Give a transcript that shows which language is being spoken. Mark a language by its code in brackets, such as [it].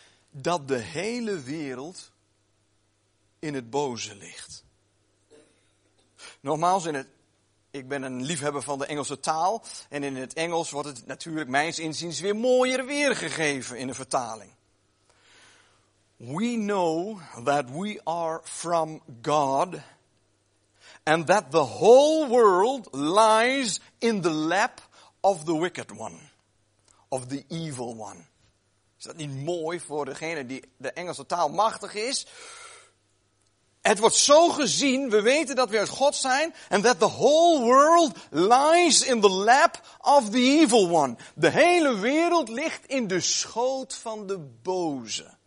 [nl] Dat de hele wereld in het boze ligt. Nogmaals, ik ben een liefhebber van de Engelse taal. En in het Engels wordt het natuurlijk mijns inziens weer mooier weergegeven in de vertaling. [en] We know that we are from God. And that the whole world lies in the lap of the wicked one. Of the evil one. [nl] Is dat niet mooi voor degene die de Engelse taal machtig is? Het wordt zo gezien, we weten dat we uit God zijn, [en] and that the whole world lies in the lap of the evil one. [nl] De hele wereld ligt in de schoot van de boze.